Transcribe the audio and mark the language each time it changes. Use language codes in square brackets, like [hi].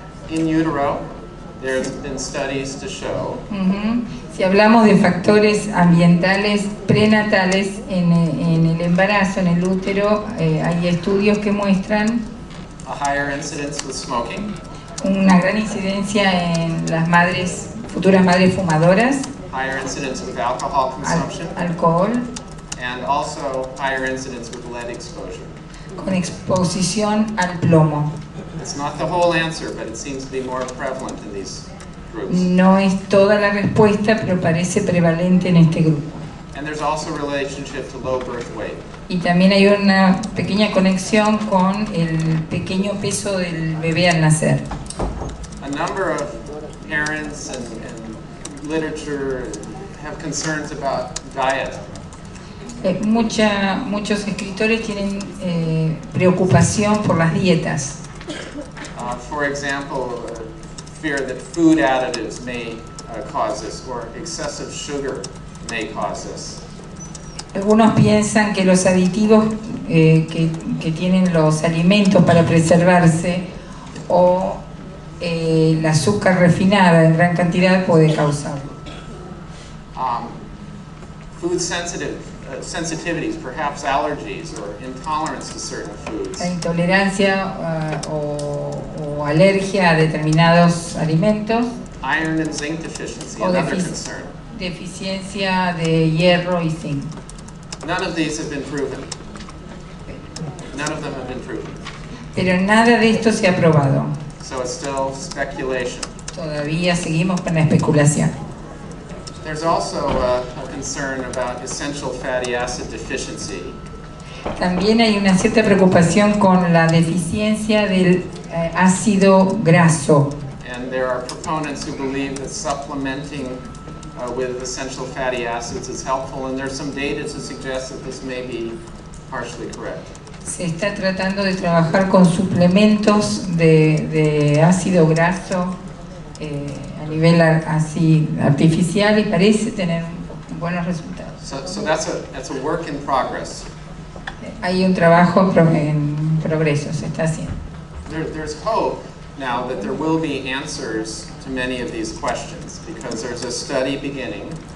[en] In utero, there have been studies to show. Mm-hmm. [es] Si hablamos de factores ambientales prenatales en el embarazo, en el útero, hay estudios que muestran [en] a higher incidence with smoking. [es] Una gran incidencia en las madres, futuras madres fumadoras. [en] Higher incidence with alcohol consumption. [es] Alcohol. [en] And also higher incidence with lead exposure. [es] Con exposición al plomo. [en] It's not the whole answer, but it seems to be more prevalent in these groups. [es] No es toda la respuesta, pero parece prevalente en este grupo. [en] And there's also a relationship to low birth weight. [es] Y también hay una pequeña conexión con el pequeño peso del bebé al nacer. [en] A number of parents and literature have concerns about diet. [es] Muchos escritores tienen preocupación por las dietas. [en] For example, fear that food additives may cause this, or excessive sugar may cause this. [es] Algunos piensan que los aditivos que tienen los alimentos para preservarse o el azúcar refinada en gran cantidad puede causarlo. [en] Food sensitivities, perhaps allergies or intolerance to certain foods. [es] La intolerancia o alergia a determinados alimentos. [en] Iron and zinc deficiency, another concern. [es] Deficiencia de hierro y zinc. [en] None of these have been proven. None of them have been proven. [es] Pero nada de esto se ha probado. [en] So it's still speculation. [es] Todavía seguimos con la especulación. [en] There's also a concern about essential fatty acid deficiency. [es] También hay una cierta preocupación con la deficiencia del ácido graso. [en] And there are proponents who believe that supplementing with essential fatty acids is helpful, and there's some data to suggest that this may be partially correct. [es] Se está tratando de trabajar con suplementos de ácido graso a nivel así artificial y parece tener buenos resultados. [en] So that's a work in progress. [es] Hay un trabajo en progreso, se está haciendo. [en] There's hope now that there will be answers to many of these questions, because there's a study beginning.